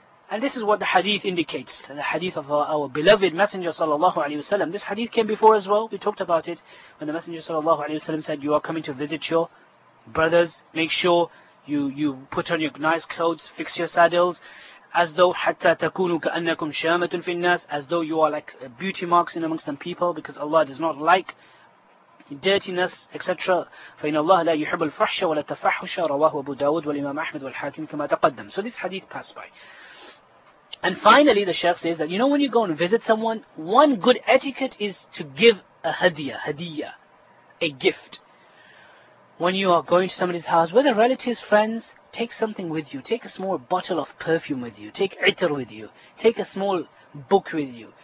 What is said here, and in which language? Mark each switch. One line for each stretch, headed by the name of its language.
English: And this is what the hadith indicates, the hadith of our beloved Messenger sallallahu alayhi wa sallam. This hadith came before as well, we talked about it, when the Messenger sallallahu alayhi wa sallam said, you are coming to visit your brothers, make sure you put on your nice clothes, fix your saddles, as though
Arabic: حَتَّى تَكُونُوا كَأَنَّكُمْ شَامَةٌ فِي النَّاسِ,
English: as though you are like beauty marks in amongst them people, because Allah does not like dirtiness, etc.
Arabic: فإن الله لا يحب الفحش ولا التفحش رواه أبو داود والإمام أحمد والحاكم كما تقدم.
English: So this hadith passed by. And finally, the sheikh says that, you know, when you go and visit someone, one good etiquette is to give a hadiyah, a gift. When you are going to somebody's house, whether relatives, friends, take something with you. Take a small bottle of perfume with you. Take itar with you. Take a small book with you.